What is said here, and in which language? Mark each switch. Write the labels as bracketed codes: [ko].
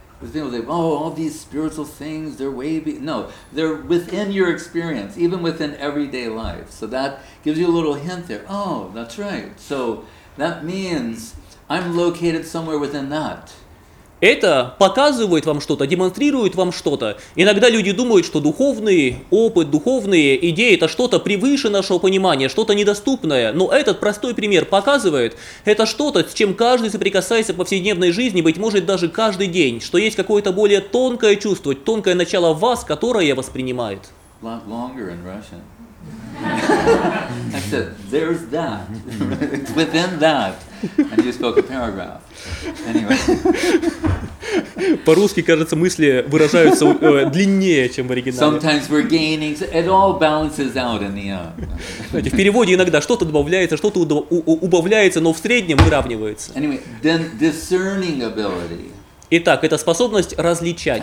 [en] Because people say, oh, all these spiritual things, they're way beyond. No, they're within your experience, even within everyday life. So that gives you a little hint there. Oh, that's right. So that means I'm located somewhere within that. [ru] Это показывает вам что-то, демонстрирует вам что-то. Иногда люди думают, что духовный опыт, духовные идеи – это что-то превыше нашего понимания, что-то недоступное. Но этот простой пример показывает, это что-то, с чем каждый соприкасается в повседневной жизни, быть может, даже каждый день, что есть какое-то более тонкое чувство, тонкое начало в вас, которое воспринимает. [en] Longer in Russian. I said, there's that. It's within that. And you spoke a paragraph. Anyway. [ru] По-русски, кажется, мысли выражаются длиннее, чем в оригинале. [en] Sometimes we're gaining, it all balances out in the end. [ru] Знаете, в переводе иногда что-то добавляется, что-то убавляется, но в среднем выравнивается. [en] Anyway, then discerning ability. [ru] Итак, это способность различать.